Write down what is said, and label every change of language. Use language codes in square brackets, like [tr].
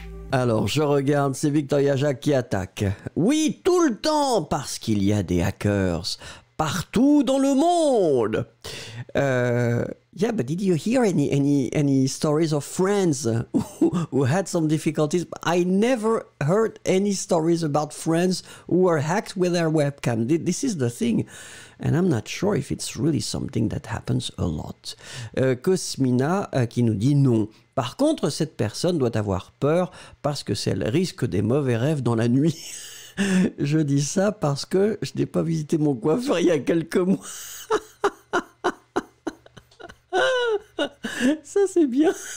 [fr] Alors, je regarde, c'est Victoria Jacques qui attaque. Oui, tout le temps, parce qu'il y a des hackers partout dans le monde. [en] Yeah, but did you hear any stories of friends who had some difficulties? I never heard any stories about friends who were hacked with their webcam. This is the thing. And I'm not sure if it's really something that happens a lot. [fr] Cosmina qui nous dit non. Par contre, cette personne doit avoir peur parce que elle risque des mauvais rêves dans la nuit. Je dis ça parce que je n'ai pas visité mon coiffeur il y a quelques mois. Ça, c'est bien.